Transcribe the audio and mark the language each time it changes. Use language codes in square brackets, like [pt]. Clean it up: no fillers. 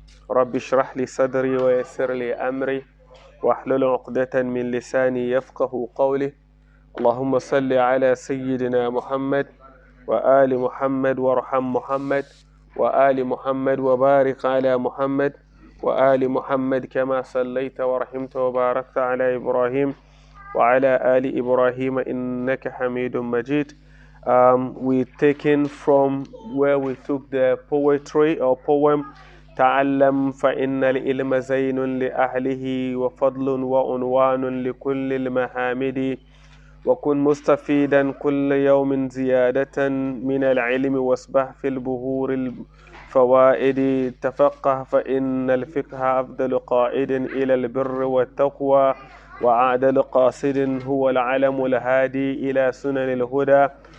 [ar] رب اشرح لي صدري ويسر لي أمري واحلل عقدة من لساني يفقه قولي اللهم صل على سيدنا محمد وآل محمد وارحم محمد وآل محمد وبارك على محمد وآل محمد كما صليت ورحمت وباركت على إبراهيم وعلى آل إبراهيم إنك حميد مجيد. [en] We're taking from where we took the poetry or poem. [ar] تعلم فإن العلم زين لأهله وفضل وعنوان لكل المحامد وكن مستفيدا كل يوم زيادة من العلم واسبح في البهور فوائد تفقه فإن الفقه أفضل قائد إلى البر والتقوى وعادل قاصد هو العلم الهادي إلى سنن الهدى